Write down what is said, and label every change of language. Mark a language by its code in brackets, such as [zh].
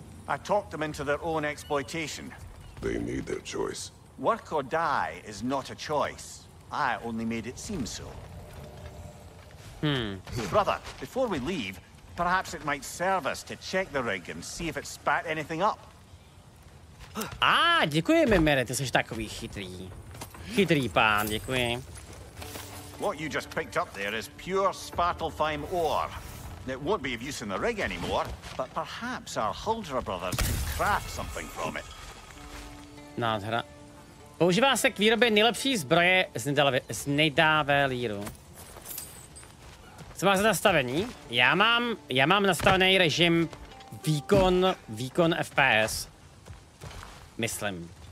[en] I talked them into their own exploitation. They need their choice. Work or die is not a choice. I only made it seem so. Brother, before we leave, perhaps it might serve us to check the rig and see if it spat anything up. [cs] Ah, děkuji, Mimere, ty jsi takový chytrý. Chytrý pán, děkuji. [en] What you just picked up there is pure Spartalfheim ore. It won't be of use in the rig anymore, but perhaps our Huldra brothers can craft something from it. [cs] Nádhera. Používá se k výrobě nejlepší zbroje z nejdávé líru. Co máš za nastavení? Já mám nastavený režim výkon FPS. Myslím.